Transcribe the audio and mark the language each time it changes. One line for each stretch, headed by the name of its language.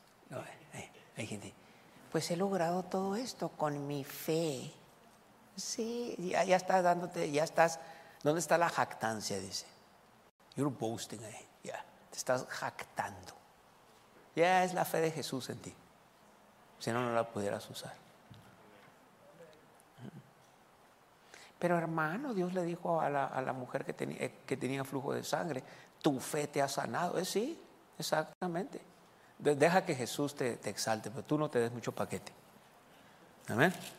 Spanish: No, hay gente, pues he logrado todo esto con mi fe. Sí, ya estás dándote, ya estás, ¿dónde está la jactancia? Dice,
English: you're boasting, yeah.
Spanish: Te estás jactando. Ya es la fe de Jesús en ti, si no, no la pudieras usar. Pero hermano, Dios le dijo a la mujer que tenía flujo de sangre, tu fe te ha sanado. Sí, exactamente. Deja que Jesús te exalte, pero tú no te des mucho paquete. Amén.